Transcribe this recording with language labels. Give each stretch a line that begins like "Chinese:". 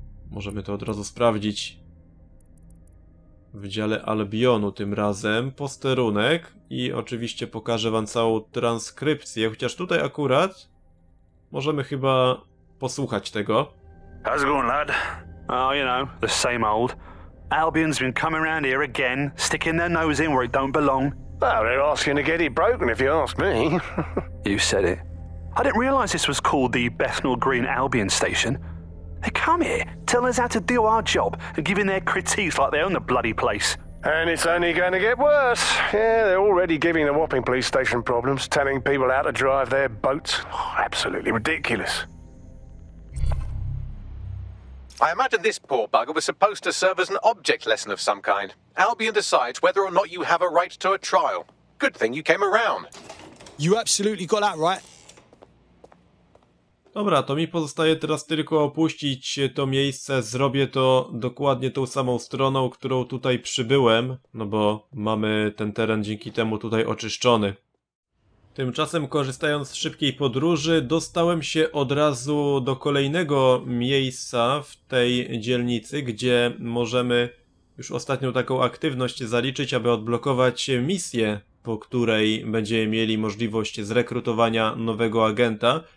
Polish: Możemy to od razu sprawdzić. W dziale Albionu tym razem. Posterunek. I oczywiście pokażę wam całą transkrypcję. Chociaż tutaj akurat możemy chyba posłuchać tego.
English: How's it going, lad? Oh, you know, the same old. Albion's been coming around here again, sticking their nose in where it don't belong. Well, they're asking to get it broken, if you ask me. You said it. I didn't realize this was called the Bethnal Green Albion Station. They come here, tell us how to do our job, and giving their critiques like they own the bloody place. And it's only going to get worse. Yeah, they're already giving the Wapping police station problems, telling people how to drive their boats. Oh, absolutely ridiculous. I imagine this poor bugger was supposed to serve as an object lesson of some kind. Albion decides whether or not you have a right to a trial. Good thing you came around. You absolutely got that right.
Polish: Dobra, to mi pozostaje teraz tylko opuścić to miejsce. Zrobię to dokładnie tą samą stroną, którą tutaj przybyłem. No bo mamy ten teren dzięki temu tutaj oczyszczony. Tymczasem, korzystając z szybkiej podróży, dostałem się od razu do kolejnego miejsca w tej dzielnicy, gdzie możemy już ostatnią taką aktywność zaliczyć, aby odblokować misję, po której będziemy mieli możliwość zrekrutowania nowego agenta.